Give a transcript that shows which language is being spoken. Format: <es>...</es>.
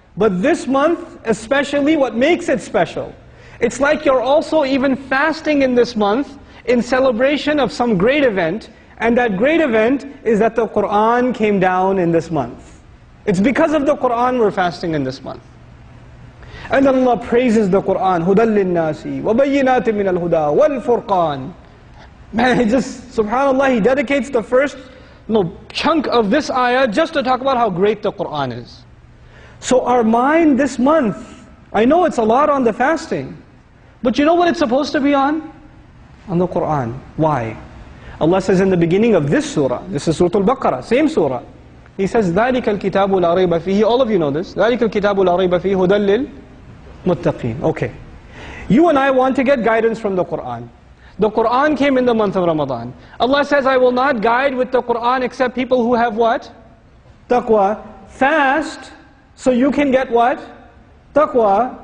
<en>But this month, especially, what makes it special? It's like you're also even fasting in this month in celebration of some great event, and that great event is that the Qur'an came down in this month. It's because of the Qur'an we're fasting in this month. And Allah praises the Qur'an,</en> <ar>هُدَى لِلنَّاسِ وَبَيِّنَاتٍ مِّنَ الْهُدَى وَالْفُرْقَانِ.</ar> <en>Man, he just, subhanAllah, he dedicates the first little chunk of this ayah just to talk about how great the Qur'an is. So our mind this month, I know it's a lot on the fasting, but you know what it's supposed to be on? On the Qur'an. Why? Allah says in the beginning of this surah, this is Surah Al-Baqarah, same surah. He says,</en> <ar>ذَلِكَ الْكِتَابُ لَا رَيْبَ فِيهِ.</ar> <en>All of you know this.</en> <ar>ذَلِكَ الْكِتَابُ لَا رَيْبَ فِيهِ هُدَى لِلْمُتَّقِينَ.</ar> <en>Okay. You and I want to get guidance from the Qur'an. The Qur'an came in the month of Ramadan. Allah says, I will not guide with the Qur'an except people who have what? Taqwa. Fast, so you can get what? Taqwa.</en>